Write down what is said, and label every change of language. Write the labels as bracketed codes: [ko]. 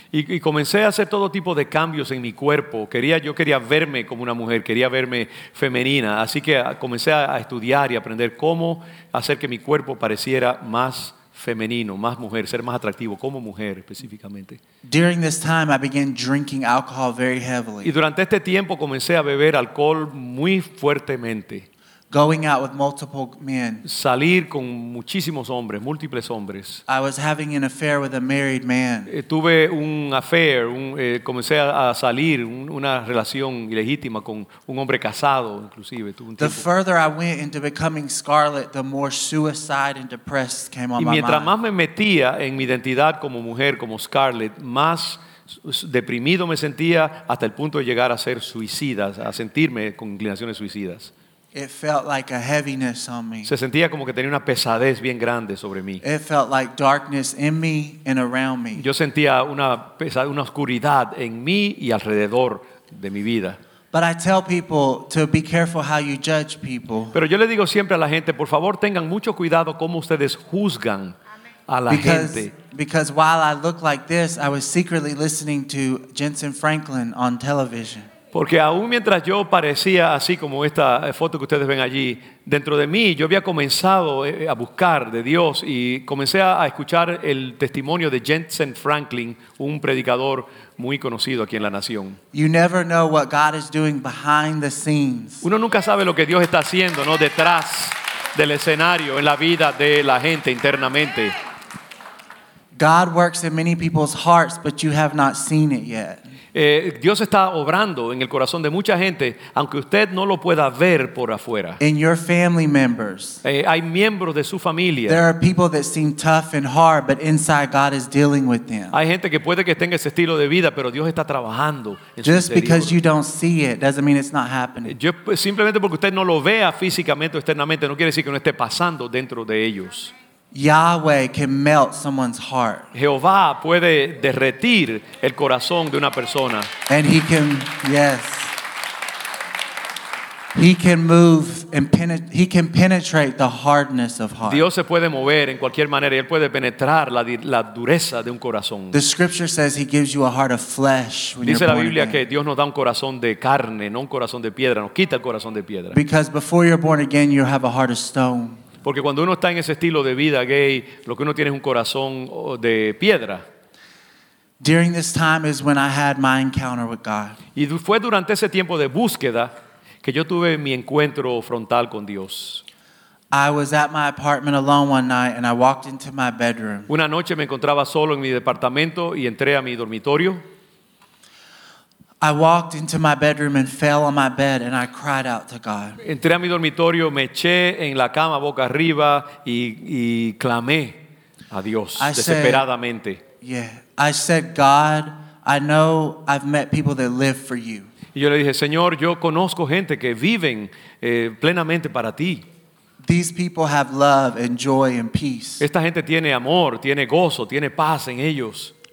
[es] Y comencé a hacer todo tipo de cambios en mi cuerpo. Yo quería verme como una mujer, quería verme femenina. Así que comencé a estudiar y aprender cómo hacer que mi cuerpo pareciera más femenino, más mujer, ser más atractivo como mujer específicamente. [en] During this time, I began drinking alcohol very heavily. [es] Y durante este tiempo comencé a beber alcohol muy fuertemente. [en] Going out with multiple men. [es] Salir con muchísimos hombres, múltiples hombres. [en] I was having an affair with a married man. [es] Tuve un affair, comencé a salir, una relación ilegítima con un hombre casado, inclusive. [en] The further I went into becoming Scarlett, the more suicide and depressed came on my mind. [es] Y mientras más me metía en mi identidad como mujer, como Scarlett, más deprimido me sentía hasta el punto de llegar a ser suicida, a sentirme con inclinaciones suicidas. [en] It felt like a heaviness on me. [es] Se sentía como que tenía una pesadez bien grande sobre mí. [en] It felt like darkness in me and around me. [es] Yo sentía una oscuridad en mí y alrededor de mi vida. [en] But I tell people to be careful how you judge people. [es] Pero yo le digo siempre a la gente, por favor, tengan mucho cuidado cómo ustedes juzgan a la gente. [en] Because while I look like this, I was secretly listening to Jensen Franklin on television. [es] Porque aún mientras yo parecía así como esta foto que ustedes ven allí, dentro de mí yo había comenzado a buscar de Dios y comencé a escuchar el testimonio de Jensen Franklin, un predicador muy conocido aquí en la nación. [en] You never know what God is doing behind the scenes. [es] Uno nunca sabe lo que Dios está haciendo, ¿no? Detrás del escenario, en la vida de la gente internamente. [en] God works in many people's hearts, but you have not seen it yet. [es] Dios está obrando en el corazón de mucha gente, aunque usted no lo pueda ver por afuera. [en] In your family members. [es] Hay miembros de su familia. [en] There are people that seem tough and hard, but inside God is dealing with them. [es] Hay gente que puede que tenga ese estilo de vida, pero Dios está trabajando en su interior. [en] Just because you don't see it doesn't mean it's not happening. [es] Simplemente porque usted no lo vea físicamente o externamente no quiere decir que no esté pasando dentro de ellos. [en] Yahweh can melt someone's heart. [es] Jehová puede derretir el corazón de una persona. [en] And he can, yes. He can move and he can penetrate the hardness of heart. [es] Dios se puede mover en cualquier manera y él puede penetrar la dureza de un corazón. [en] The scripture says he gives you a heart of flesh when [es] Dice la Biblia que Dios nos da un corazón de carne, no un corazón de piedra, nos quita el corazón de piedra. [en] Because before you're born again you have a heart of stone. [es] Porque cuando uno está en ese estilo de vida gay, lo que uno tiene es un corazón de piedra. [en] During this time is when I had my encounter with God. [es] Y fue durante ese tiempo de búsqueda que yo tuve mi encuentro frontal con Dios. [en] I was at my apartment alone one night and I walked into my bedroom. [es] Una noche me encontraba solo en mi departamento y entré a mi dormitorio. [en] I walked into my bedroom and fell on my bed and I cried out to God. [es] Entré a mi dormitorio, me eché en la cama boca arriba y clamé a Dios desesperadamente. [en] I said, God, I know I've met people that live for you. [es] Y yo le dije, Señor, yo conozco gente que viven plenamente para ti. [en] These people have love and joy and peace. [es] Esta gente tiene amor, tiene gozo, tiene paz en ellos.